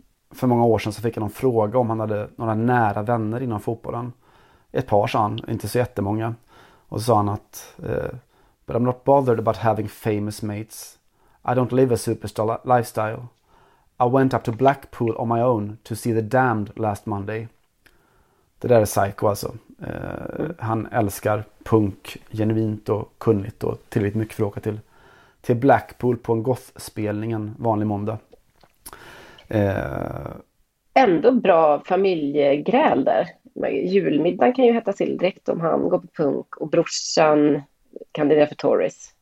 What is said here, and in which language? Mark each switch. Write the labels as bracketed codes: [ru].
[sv] För många år sedan så fick han en fråga om han hade några nära vänner inom fotbollen. Ett par sa han, inte så jättemånga. Och så sa han att [en] but I'm not bothered about having famous mates. I don't live a superstar lifestyle. I went up to Blackpool on my own to see The Damned last Monday. [sv] Det där är psycho alltså. Han älskar punk genuint och kunnigt och tillräckligt mycket för att åka till Blackpool på en gothspelning en vanlig måndag. Ändå bra familjegräl där. Julmiddagen kan ju heta till direkt om han går på punk och brorsan kandiderar för Tories.